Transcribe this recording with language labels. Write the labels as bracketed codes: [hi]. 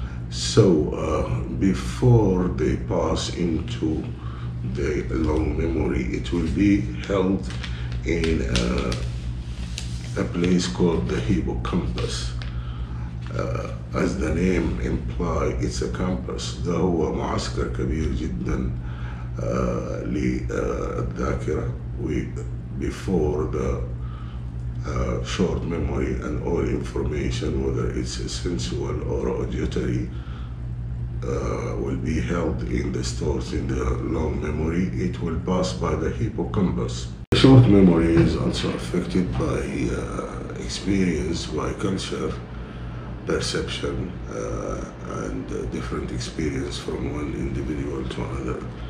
[en] So before they pass into the long memory, it will be held in a place called the hippocampus. As the name implies, it's a campus. [ar] ده هو معسكر كبير جدا للذاكرة. [en] Before the short memory and all information, whether it's sensual or auditory, will be held in the stores in the long memory, it will pass by the hippocampus. Short memory is also affected by experience, by culture, perception, and different experience from one individual to another.